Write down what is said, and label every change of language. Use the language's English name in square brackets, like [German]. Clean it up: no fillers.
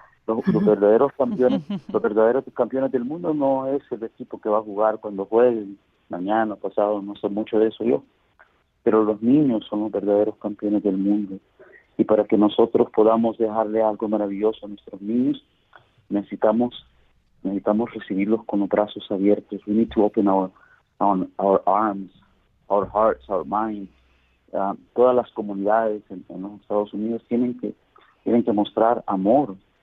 [Spanish] Los verdaderos campeones del mundo no es el equipo que va a jugar cuando jueguen, mañana, pasado, no sé mucho de eso yo, pero los niños son los verdaderos campeones del mundo. Y para que nosotros podamos dejarle algo maravilloso a nuestros niños, necesitamos recibirlos con los brazos abiertos. [English] We need to open our arms, our hearts, our minds. [Spanish] Todas las comunidades en los Estados Unidos tienen que mostrar amor.